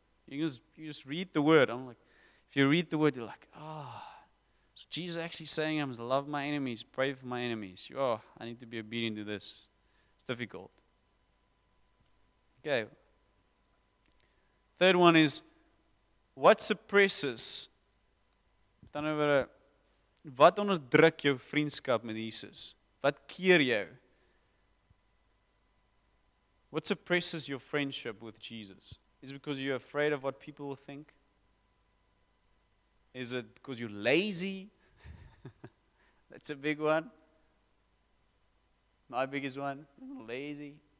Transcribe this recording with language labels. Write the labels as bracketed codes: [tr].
[en] You just read the word. I'm like, if you read the word, you're like, ah. Oh. So Jesus is actually saying, I'm to love my enemies, pray for my enemies. Oh, I need to be obedient to this. It's difficult. Okay. Third one is, what suppresses? [af] Wat onderdruk jou vriendskap met Jesus? Wat keer jou? [en] What suppresses your friendship with Jesus? Is it because you're afraid of what people will think? Is it because you're lazy? That's a big one. My biggest one. I'm lazy.